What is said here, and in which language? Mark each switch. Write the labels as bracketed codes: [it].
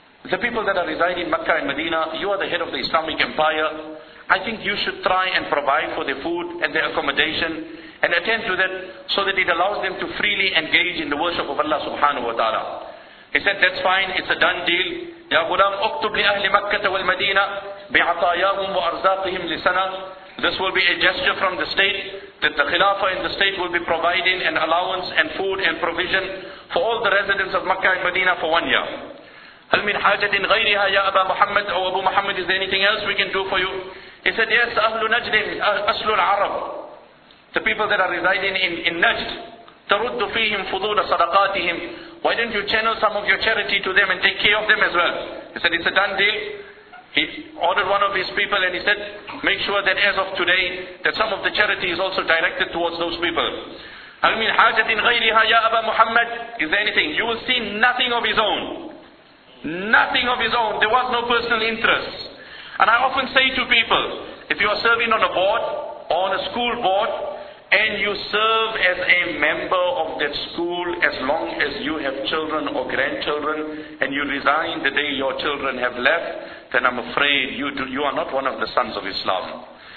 [en] The people that are residing in Mecca and Medina, you are the head of the Islamic Empire. I think you should try and provide for their food and their accommodation and attend to that so that it allows them to freely engage in the worship of Allah subhanahu wa ta'ala. He said, that's fine, it's a done deal. [ar] Ya Ghulam, اكتب لأهل مكة والمدينة بعطاياهم وأرزاقهم لسنة. [en] This will be a gesture from the state that the Khilafah in the state will be providing an allowance and food and provision for all the residents of Mecca and Medina for 1 year. [ar] هل من حاجة غيرها يا أبا محمد أو أبو محمد, [en] is there anything else we can do for you? He said, yes, [ar] أهل نجد أصل العرب. [en] The people that are residing in Najd, [ar] ترد فيهم فضول صدقاتهم. [en] Why don't you channel some of your charity to them and take care of them as well? He said, it's a done deal. He ordered one of his people and he said, make sure that as of today, that some of the charity is also directed towards those people. [ar] هل من حاجة غيرها يا أبا محمد, [en] is there anything? You will see nothing of his own. Nothing of his own. There was no personal interest. And I often say to people, if you are serving on a board or on a school board and you serve as a member of that school as long as you have children or grandchildren and you resign the day your children have left, then I'm afraid you are not one of the sons of Islam.